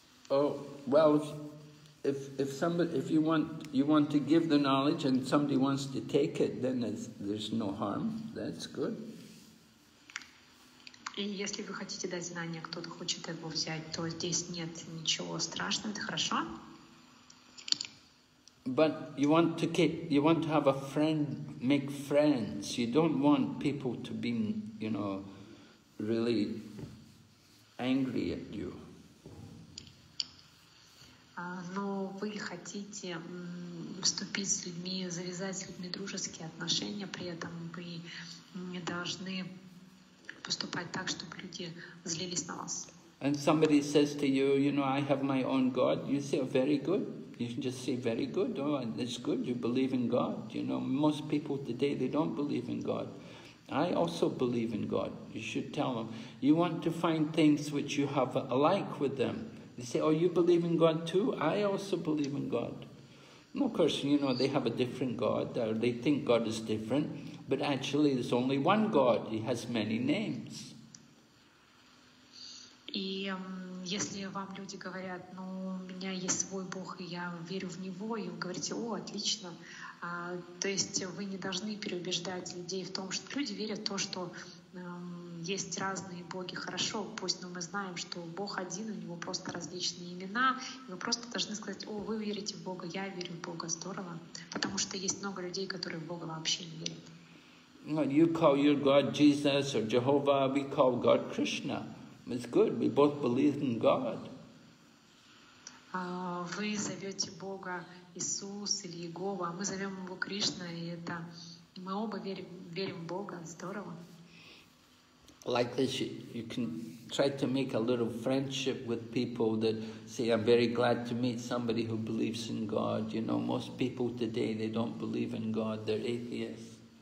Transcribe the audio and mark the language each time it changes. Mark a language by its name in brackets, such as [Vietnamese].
[English] Oh well, if you want to give the knowledge and somebody wants to take it, then there's no harm. That's good. [Russian] И если вы хотите дать знание, кто-то хочет его взять, то здесь нет ничего страшного, это хорошо. [English] But you want to have a friend, make friends. You don't want people to be, you know, really angry at you. [Russian] Но вы хотите вступить с людьми, завязать с людьми дружеские отношения, при этом вы не должны поступать так, чтобы люди злились на вас. [English] And somebody says to you, you know, I have my own God. You say, oh, very good. You can just say, very good. Oh, that's good. You believe in God. You know, most people today, they don't believe in God. I also believe in God. You should tell them. You want to find things which you have alike with them. They say, oh, you believe in God too? I also believe in God. And of course, you know, they have a different God, or they think God is different. But actually, there's only one God. He has many names. [Russian] И если вам люди говорят, ну, у меня есть свой Бог, и я верю в Него, и вы говорите, о, отлично. То есть вы не должны переубеждать людей в том, что люди верят в то, что есть разные боги, хорошо, пусть, но мы знаем, что Бог один, у Него просто различные имена, и вы просто должны сказать, о, вы верите в Бога, я верю в Бога, здорово. Потому что есть много людей, которые в Бога вообще не верят. [English] You call your God Jesus or Jehovah, we call God Krishna. It's good, we both believe in God. [Russian] Вы зовете Бога Иисус или Иегова, а мы зовем Его Кришна, и это мы оба верим в Бога, здорово. [English] Like this, you can try to make a little friendship with people that say, I'm very glad to meet somebody who believes in God. You know, most people today, they don't believe in God, they're atheists.